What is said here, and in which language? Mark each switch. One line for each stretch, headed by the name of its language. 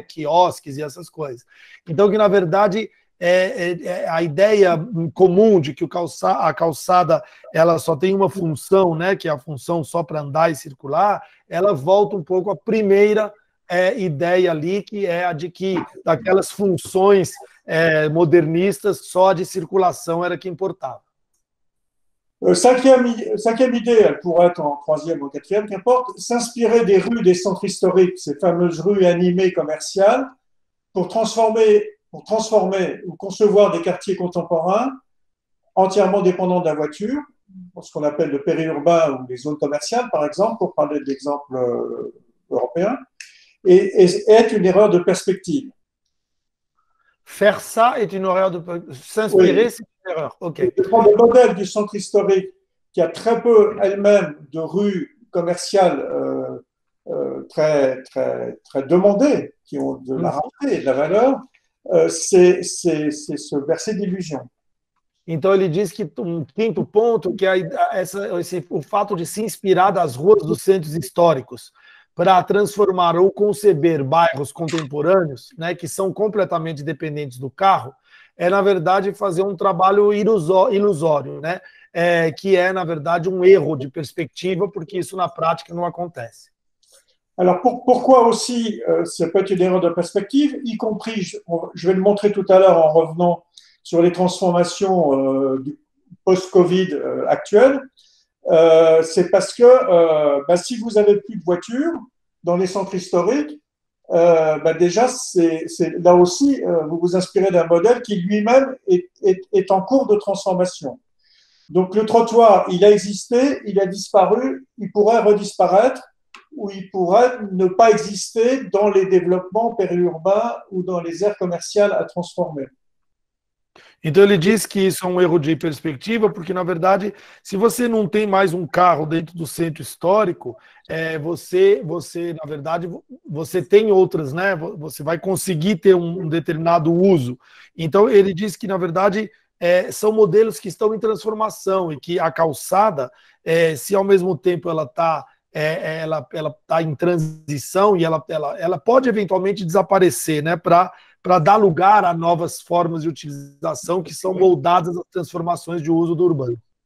Portuguese: Quiosques e essas coisas. Então, que na verdade... a ideia comum de que a calçada ela só tem uma função, né, que é a função só para andar e circular, ela volta um pouco à primeira ideia ali, que é a de que daquelas funções modernistas, só a de circulação era que importava.
French: Cinquième idée, elle pourrait être en troisième ou quatrième, qu'importe, s'inspirer des rues des centres historiques, ces fameuses rues animées commerciales, pour transformer ou concevoir des quartiers contemporains entièrement dépendants de la voiture, ce qu'on appelle le périurbain ou les zones commerciales, par exemple, pour parler de l'exemple européen, et est une erreur de perspective. Faire ça est une erreur de s'inspirer, oui. C'est une erreur. Okay. Prendre le modèle du centre historique qui a très peu elle-même de rues commerciales très, très, très demandées, qui ont de la rareté et de la valeur. C'est ce verset d'illusion.
Portuguese: Então ele diz que um quinto ponto, que o fato de se inspirar das ruas dos centros históricos para transformar ou conceber bairros contemporâneos, né, que são completamente dependentes do carro, é na verdade fazer um trabalho ilusório, né, que é na verdade um erro de perspectiva, porque isso na prática não acontece.
French: Alors, pourquoi aussi ça peut être une erreur de perspective, y compris, je vais le montrer tout à l'heure en revenant sur les transformations du post-Covid actuel, c'est parce que si vous n'avez plus de voitures dans les centres historiques, déjà, c'est là aussi, vous vous inspirez d'un modèle qui lui-même est en cours de transformation. Donc, le trottoir, il a existé, il a disparu, il pourrait redisparaître, où il pourrait ne pas exister dans les développements périurbains ou dans les aires commerciales à transformer.
Portuguese: Então ele diz que isso é um erro de perspectiva, porque na verdade, se você não tem mais um carro dentro do centro histórico, você na verdade, você tem outras, né? Você vai conseguir ter um determinado uso. Então ele diz que na verdade, são modelos que estão em transformação e que a calçada, se ao mesmo tempo ela está ela está em transição e ela pode eventualmente desaparecer, né, para dar lugar a novas formas de utilização que são moldadas às transformações de uso do urbano.